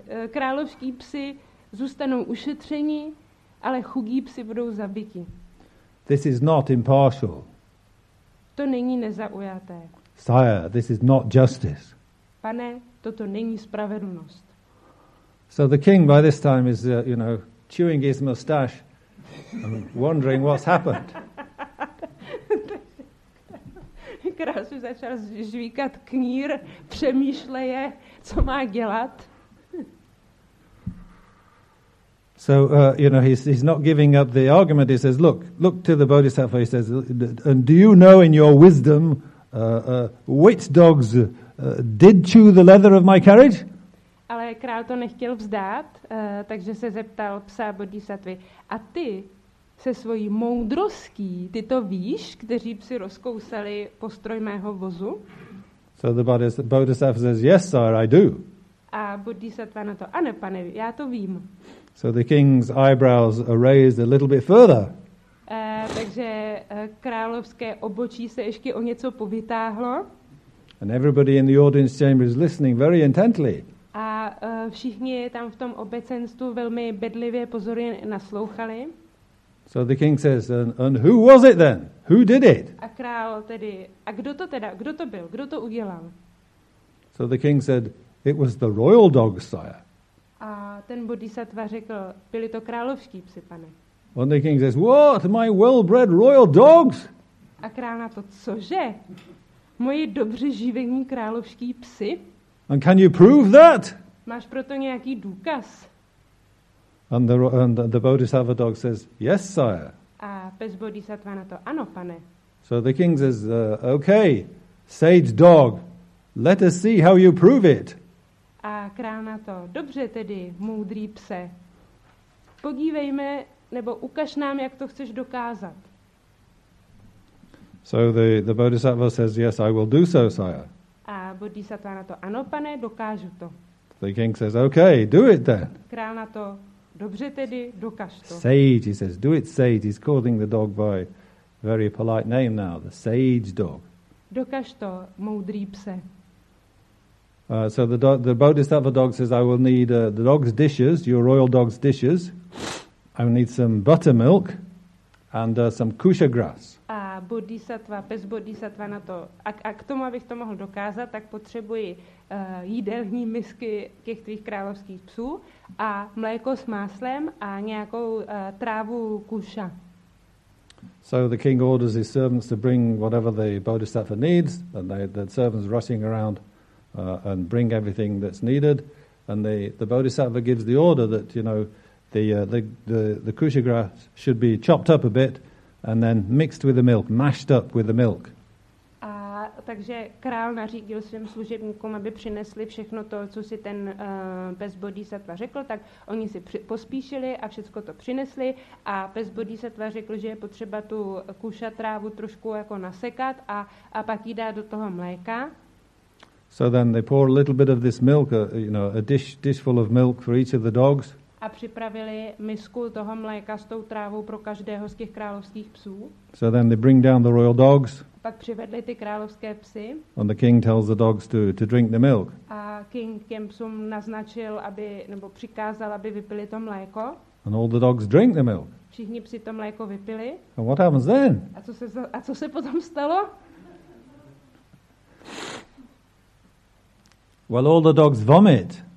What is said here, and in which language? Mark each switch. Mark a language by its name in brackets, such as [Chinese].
[Czech] Královští psi zůstanou ušetřeni, ale chudí psi budou zabiti. [English] This is not impartial. [Czech] To není nezaujaté. [English] Sire, this is not justice. [Czech] Pane, toto není spravedlnost. [English] So the king by this time is, you know, chewing his mustache and wondering what's happened. [Czech] Krásu začal žvíkat knír, přemýšleje, co má dělat. [English] So, you know, he's not giving up the argument. He says, look to the Bodhisattva. He says, and do you know in your wisdom, which dogs did chew the leather of my carriage? [Czech] Ale král to nechtěl vzdát, takže se zeptal psa Bodhisattvy. A ty se svojí moudrostí, ty to víš, kteří psi rozkousali postroj mého vozu? [English] So the Bodhisattva says, yes, sir, I do. [Czech] A Bodhisattva na to, ano, pane, já to vím. [English] So the king's eyebrows are raised a little bit further. [Czech] Takže královské obočí se ještě o něco povytáhlo. [English] And everybody in the audience chamber is listening very intently. [Czech] A všichni tam v tom obecenstvu velmi bedlivě pozorně naslouchali. [English] So the king says, and who was it then? Who did it? [Czech] A král tedy, a kdo to teda, kdo to byl, kdo to udělal? [English] So the king said, it was the royal dog, sire. [Czech] A ten bodhisattva řekl, byli to královští psi, pane. [English] And the king says, what, my well-bred royal dogs? [Czech] A král na to, cože? Moji dobře živení královští psi? [English] And can you prove that? [Czech] Máš proto nějaký důkaz? [English] And the bodhisattva dog says, yes, sire. [Czech] A pes bodhisattva na to, ano, pane. [English] So the king says, okay, sage dog, let us see how you prove it. [Czech] A král na to, dobře tedy, moudrý pse, podívejme, nebo ukaž nám, jak to chceš dokázat. [English] So the bodhisattva says, yes, I will do so, sire. [Czech] A bodhisattva na to, ano, pane, dokážu to. [English] The king says, okay, do it then. [Czech] Král na to, dobře tedy, dokáž to. [English] Sage, he says, do it, sage. He's calling the dog by a very polite name now, the sage dog. [Czech] Dokáž to, moudrý pse. [English] So the bodhisattva dog says, I will need the dog's dishes, your royal dog's dishes. I will need some buttermilk and some kusha grass. [Czech] A bodhisattva, pes bodhisattva na to. A k tomu, abych to mohl dokázat, tak potřebuji jídelní misky těch tvých královských psů a mléko s máslem a nějakou trávu kusha. [English] So the king orders his servants to bring whatever the bodhisattva needs, and the servants rushing around and bring everything that's needed, and the bodhisattva gives the order that, you know, the kusha grass should be chopped up a bit and then mixed with the milk, mashed up with the milk. [Czech] A takže král nařídil svým služebníkům, aby přinesli všechno to, co si ten pes bodhisattva řekl, tak oni si pospíšili a všechno to přinesli a pes bodhisattva řekl, že je potřeba tu kusha trávu trošku jako nasekat a pak jí dá do toho mléka. [English] So then they pour a little bit of this milk, a dishful of milk for each of the dogs. [Czech] A připravili misku toho mléka s tou trávou pro každého z těch královských psů. [English] So then they bring down the royal dogs. [Czech] Pak přivedli ty královské psy. [English] And the king tells the dogs to drink the milk. [Czech] A [English] king [Czech] těm psům naznačil, aby nebo přikázal, aby vypili to mléko. [English] And all the dogs drink the milk. [Czech] Všichni psi to mléko vypili. [English] And what happens then? [Czech] A co se potom stalo? [English] Well, all the dogs vomit.